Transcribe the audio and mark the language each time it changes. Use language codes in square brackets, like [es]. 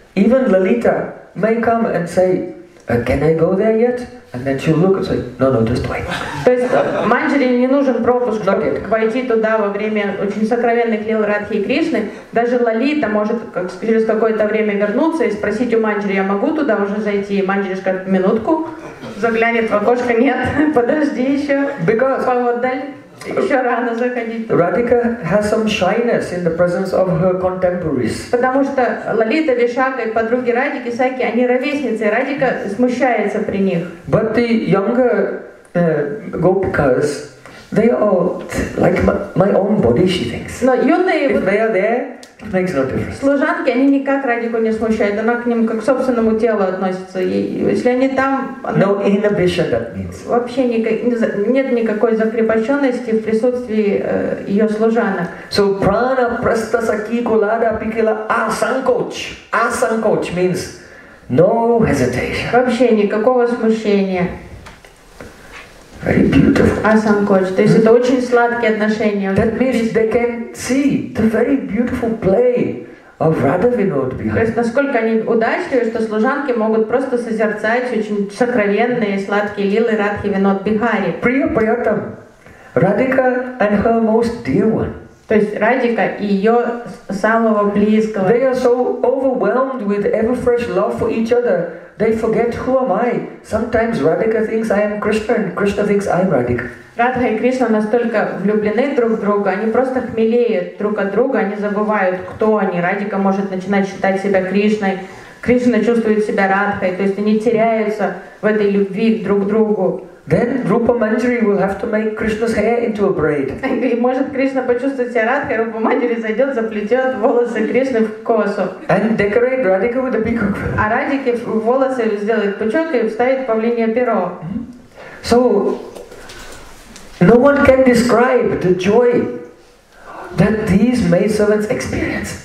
[en] Even Lalita may come and say, can I go there yet? And then she'll look and say, no, just wait. [ru] То есть Манджари не нужен пропуск, чтобы войти туда во время очень сокровенных лил Радхи и Кришны. Даже Лалита может через какое-то время вернуться и спросить у Манджари, я могу туда уже зайти? Манджари скажет, минутку, заглянет в окошко, нет, подожди еще, [en] Because [ru] поводаль. [en] Radhika has some shyness in the presence of her contemporaries. [ru] Потому что Лолита, Вишака и подруги Радики, Саки, они ровесницы, Радика смущается при них. [en] But the younger gopikas, they are like my own body, she thinks. [ru] Но юные, [en] if they are there, it makes no difference. [ru] Служанки, они никак Радику не смущают, она к ним как к собственному телу относится. И если они там, [en] no inhibition, that means. [ru] Вообще нет никакой закрепощенности в присутствии ее служанок. [bn] So prana prasta saki kulada pikila asankoch. [en] Asankoch means no hesitation. [ru] Вообще никакого смущения. [en] Very beautiful. [bn] Асанкоч. [ru] То есть это очень сладкие отношения. [en] That means they can see the very beautiful play of Radha Vinod behind. [ru] То есть насколько они удачливы, что служанки могут просто созерцать очень сокровенные сладкие лилы Радхи Винод Бихари. [en] Priya Payatam, Radhika and her most dear one. [ru] То есть Радика и ее самого близкого. [en] They are so overwhelmed with ever fresh love for each other. They forget who am I. Sometimes Radhika thinks I am Krishna, and Krishna thinks I am Radhika. [ru] Радха и Кришна настолько влюблены друг в друга, они просто хмелеют друг от друга, они забывают, кто они. Радика может начинать считать себя Кришной, Кришна чувствует себя Радхой, то есть они теряются в этой любви друг к другу. [en] Then Rupa Manjari will have to make Krishna's hair into a braid. [ru] И может Кришна почувствовать себя Радхой, Рупа Манджари зайдет, заплетет волосы Кришны в косу. [en] And decorate Radhika with a peacock. [ru] А Радхике волосы сделает пучок и вставит павлинье перо. [en] So no one can describe the joy that these maidservants experience.